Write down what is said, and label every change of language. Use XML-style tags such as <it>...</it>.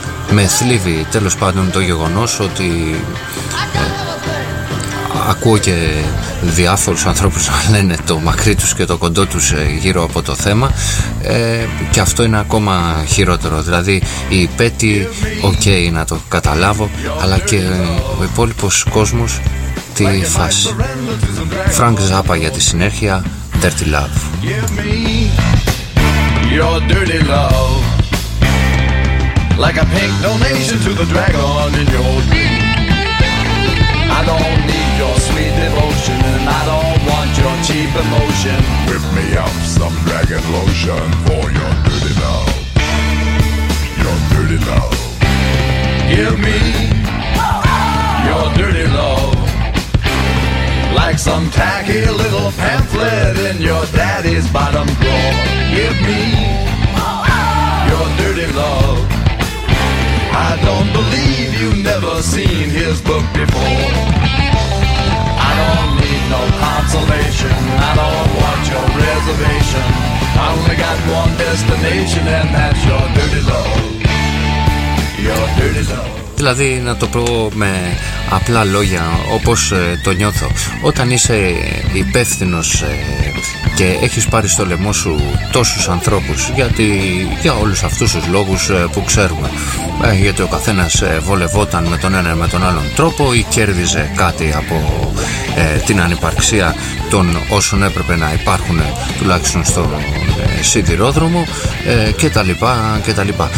<el>Με θλίβει, τέλος πάντων, το γεγονός ότι ακούω και διάφορους ανθρώπους να λένε το μακρύ τους και το κοντό τους γύρω από το θέμα, και αυτό είναι ακόμα χειρότερο. Δηλαδή η Πέτη, okay, να το καταλάβω, αλλά και ο υπόλοιπος κόσμος, τη φάση. Frank Zappa για τη συνέχεια,</el> <en>Dirty Love. Give me your dirty love, like a pink donation to the dragon in your drink. I don't need your sweet devotion, and I don't want your cheap emotion. Whip me up some dragon lotion for your dirty love, your dirty love. Give me your dirty love, like some tacky little pamphlet in your daddy's bottom drawer. Give me your dirty love. I don't believe you've never seen his book before. I don't need no consolation, I don't want your reservation. I only got one destination, and that's your dirty love, your dirty love.</en> <el>Δηλαδή, να το πω με απλά λόγια, όπως το νιώθω. Όταν είσαι υπεύθυνος και έχεις πάρει στο λαιμό σου τόσους ανθρώπους, γιατί για όλους αυτούς τους λόγους που ξέρουμε, γιατί ο καθένας βολευόταν με τον ένα με τον άλλον τρόπο ή κέρδιζε κάτι από την ανυπαρξία των όσων έπρεπε να υπάρχουν τουλάχιστον στο σιδηρόδρομο κτλ.</el>